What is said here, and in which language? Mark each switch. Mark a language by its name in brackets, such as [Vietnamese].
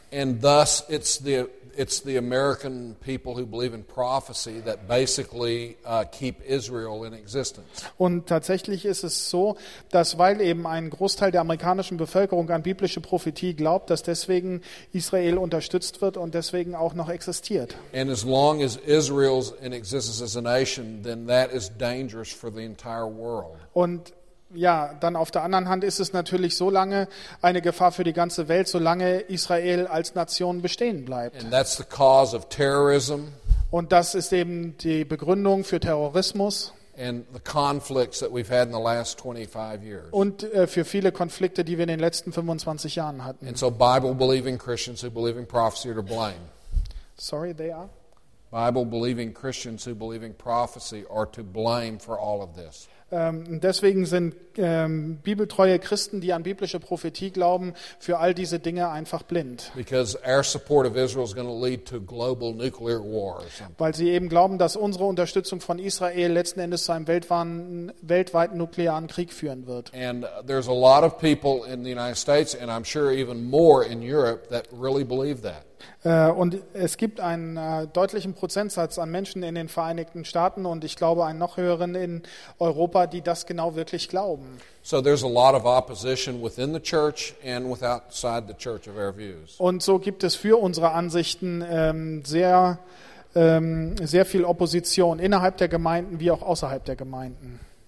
[English] And thus it's the American people who believe in prophecy that basically keep Israel in existence. [German] Und tatsächlich ist es so, dass weil eben ein Großteil der amerikanischen Bevölkerung an biblische Prophetie glaubt, dass deswegen Israel unterstützt wird und deswegen auch noch existiert. [English] And as long as Israel's in existence as a nation, then that is dangerous for the entire world. [German] Und ja, dann auf der anderen Hand ist es natürlich so lange eine Gefahr für die ganze Welt, solange Israel als Nation bestehen bleibt. [English] And that's the cause of terrorism. [German] Und das ist eben die Begründung für Terrorismus. [English] And the conflicts that we've had in the last 25 years. [German] Und für viele Konflikte, die wir in den letzten 25 Jahren hatten. [English] And so Bible-believing Christians who believe in prophecy are to blame. Sorry, they are? Bible-believing Christians who believe in prophecy are to blame for all of this. [German] Deswegen sind bibeltreue Christen, die an biblische Prophetie glauben, für all diese Dinge einfach blind. [English] Because our support of Israel is going to lead to global nuclear war or something. [German] Weil sie eben glauben, dass unsere Unterstützung von Israel letzten Endes zu einem weltweiten nuklearen Krieg führen wird. [English] And there's a lot of people in the United States and I'm sure even more in Europe that really believe that. [German] Und es gibt einen deutlichen Prozentsatz an Menschen in den Vereinigten Staaten und ich glaube einen noch höheren in Europa, die das genau wirklich glauben. [English] So there's a lot of opposition within the church and outside the church of our views. [German] Und so gibt es für unsere Ansichten sehr viel Opposition innerhalb der Gemeinden wie auch außerhalb der Gemeinden.